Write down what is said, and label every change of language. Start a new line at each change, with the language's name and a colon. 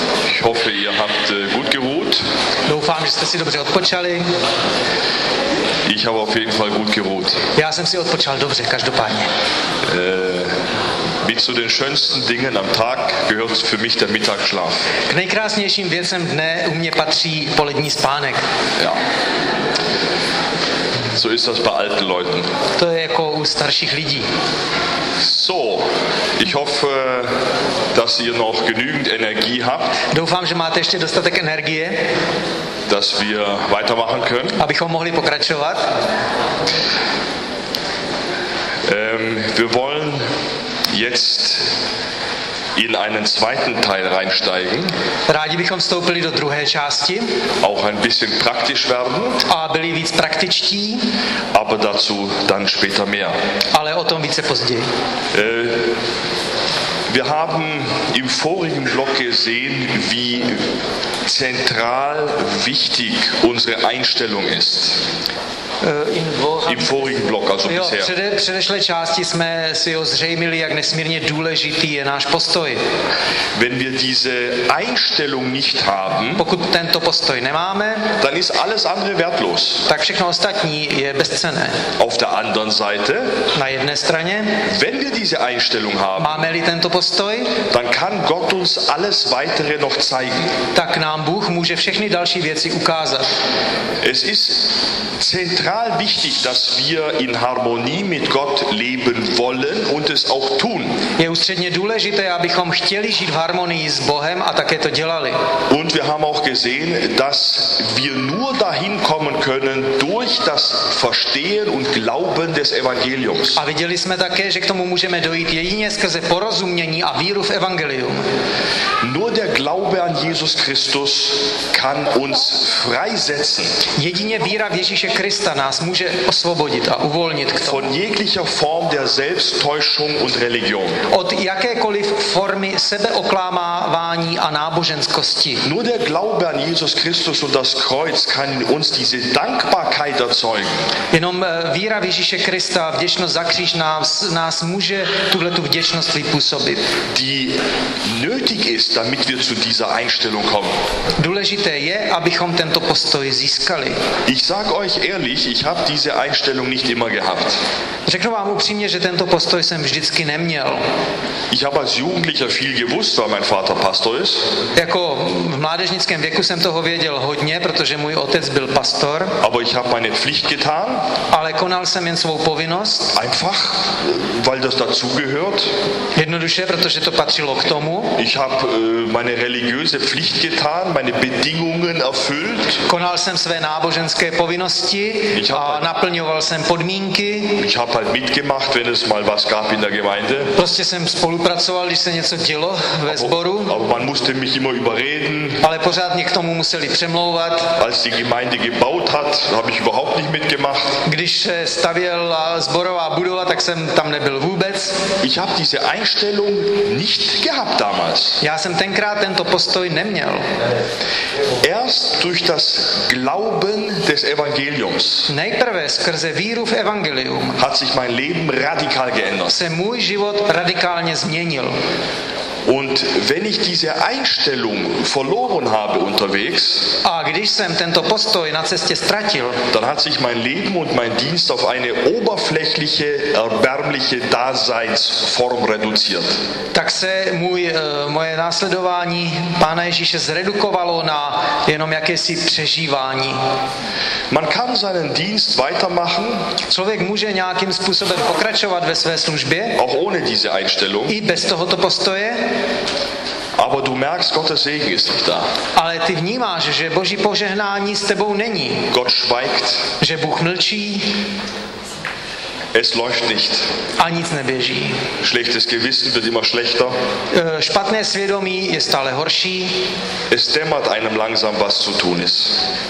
German: Ich hoffe, ihr habt gut geruht.
Czech: Doufám, že jste si dobře odpočali.
German: Ich habe auf jeden Fall gut geruht.
Czech: Já jsem si odpočal dobře, každopádně.
German: Wie zu den schönsten Dingen am Tag gehört für mich der Mittagsschlaf.
Czech: K nejkrásnějším věcem dne u mě patří polední spánek.
German: Ja. So ist das bei alten Leuten.
Czech: To je jako u starších lidí.
German: So, ich hoffe, dass ihr noch genügend Energie habt.
Czech: Doufám, že máte ještě dostatek energie.
German: Dass wir weitermachen können.
Czech: Abychom mohli pokračovat.
German: Wir wollen jetzt in einen zweiten Teil reinsteigen.
Czech: Rádi bychom vstoupili do druhé části.
German: Auch ein bisschen praktisch werden.
Czech: A byli víc praktičtí.
German: Aber dazu dann später mehr.
Czech: Ale o tom více později.
German: Wir haben im vorigen Block gesehen, wie zentral wichtig unsere Einstellung ist. Im vorigen Block, also bisher.
Czech: Jo, předešlé části jsme si ozřejmili, jak nesmírně důležitý je náš postoj.
German: Wenn wir diese Einstellung nicht haben,
Czech: pokud tento postoj nemáme,
German: dann ist alles andere wertlos.
Czech: Tak všechno ostatní je bezcenné.
German: Auf der anderen Seite,
Czech: na jedné straně,
German: wenn wir diese Einstellung haben,
Czech: máme-li tento postoj,
German: dann kann Gott uns alles weitere noch zeigen.
Czech: Tak nám Bůh může všechny další věci ukázat.
German: Es ist zentral wichtig, dass wir in Harmonie mit Gott leben wollen und es auch tun.
Czech: Je ústředně důležité, abychom chtěli žít v harmonii s Bohem a také to dělali.
German: Und wir haben auch gesehen, dass wir nur dahin kommen können durch das Verstehen und Glauben des Evangeliums.
Czech: A viděli jsme také, že k tomu můžeme dojít jedině skrze porozumění a víru v evangelium.
German: Nur der Glaube an Jesus Christus kann uns freisetzen.
Czech: Jedině víra v Ježíše Krista nás může osvobodit a uvolnit k tomu.
German: Von jeglicher Form der Selbsttäuschung und Religion.
Czech: Od jakékoliv formy sebeoklamávání a náboženskosti.
German: Nur der Glaube an Jesus Christus und das Kreuz kann uns diese Dankbarkeit erzeugen.
Czech: Jenom víra v Ježíše Krista, vděčnost za kříž nás může tuhletu vděčnost vypůsobit.
German: Die nötig ist, damit wir zu dieser Einstellung kommen.
Czech: Důležité je, abychom tento postoj získali.
German: Ich sag euch ehrlich, ich habe diese Einstellung nicht immer gehabt.
Czech: Řeknu vám upřímně, že tento postoj jsem vždycky neměl.
German: Ich habe als Jugendlicher viel gewusst, weil mein Vater Pastor ist.
Czech: Jako v mládežnickém věku jsem toho věděl hodně, protože můj otec byl pastor.
German: Aber ich habe meine Pflicht getan.
Czech: Ale konal jsem jen svou povinnost.
German: Einfach, weil das dazu gehört.
Czech: Jednoduše, protože to patřilo k tomu.
German: Ich habe meine religiöse Pflicht getan, meine Bedingungen erfüllt.
Czech: Konal jsem své náboženské povinnosti a naplňoval jsem podmínky.
German: Ich habe halt mitgemacht, wenn es mal was gab in der Gemeinde.
Czech: Prostě jsem spolupracoval, když se něco dělo ve sboru.
German: Aber man musste mich immer überreden.
Czech: Ale pořád mě k tomu museli přemlouvat.
German: Als die Gemeinde gebaut hat, habe ich überhaupt nicht mitgemacht.
Czech: Když se stavěla sborová budova, tak jsem tam nebyl vůbec.
German: Ich habe diese Einstellung nicht gehabt damals.
Czech: Já jsem tenkrát tento postoj neměl.
German: Erst durch das Glauben des Evangeliums.
Czech: Nejprve skrze víru v evangelium.
German: Hat sich mein Leben radikal geändert.
Czech: Se můj život radikálně změnil.
German: Und wenn ich diese Einstellung verloren habe unterwegs,
Czech: a když jsem tento postoj na cestě ztratil,
German: dann hat sich mein Leben und mein Dienst auf eine oberflächliche, erbärmliche Daseinsform reduziert.
Czech: Tak se moje následování Pána Ježíše zredukovalo na jenom jakési přežívání.
German: Man kann seinen Dienst weitermachen.
Czech: Člověk může nějakým způsobem pokračovat ve své službě.
German: Auch ohne diese Einstellung.
Czech: I bez tohoto postoje.
German: Aber du merkst, Gottes Segen ist nicht da.
Czech: Ale ty vnímáš, že Boží požehnání s tebou není.
German: Gott schweigt.
Czech: Že Bůh mlčí.
German: Es läuft nicht.
Czech: A nic neběží.
German: Schlechtes Gewissen wird immer schlechter.
Czech: Špatné svědomí je stále horší.
German: Es dämmert einem langsam, was zu tun ist.